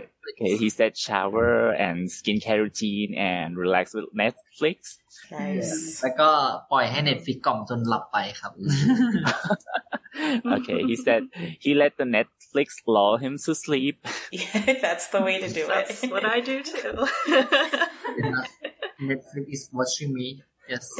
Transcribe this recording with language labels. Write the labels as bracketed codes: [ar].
[en] okay he said shower and skincare routine and relax with Netflix nice [th] แล้วก็ปล่อยให้ Netflix กล่อมจนหลับไปครับ [en] okay he said he let the Netflix lull him to sleep yeah, that's the way to do that's it that's what I do too yeah. Netflix is watching me yes